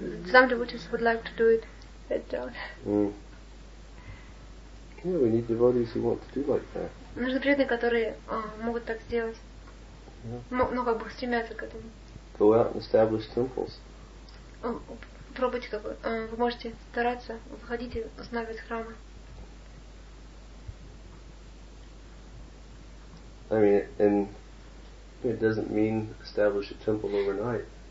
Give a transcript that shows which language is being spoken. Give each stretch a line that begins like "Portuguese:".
English: Some devotees would like to do it, but don't. Yeah, we need devotees who want to do like that.
Russian: Нужны преданные, которые могут так сделать.
English: Yeah.
Russian: Но как бы стремятся к этому.
English: Go out and establish temples.
Russian: Пробуйте, как вы можете стараться, выходите, устанавливать храмы.
English: I mean, and it doesn't mean establish a temple overnight.